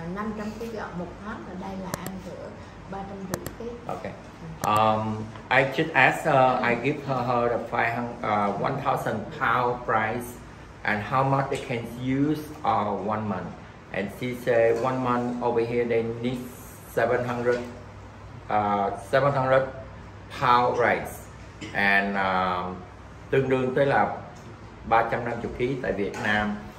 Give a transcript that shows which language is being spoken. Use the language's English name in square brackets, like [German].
[Vietnamese] 500 kg gạo một tháng ở đây là ăn được 350 [English] kg. Okay. I just asked her, I give her the 1,000 pound price and how much they can use for 1 month. And she say 1 month over here they need 700 pound rice and [Vietnamese] tương đương tới là 350 kg tại Việt Nam.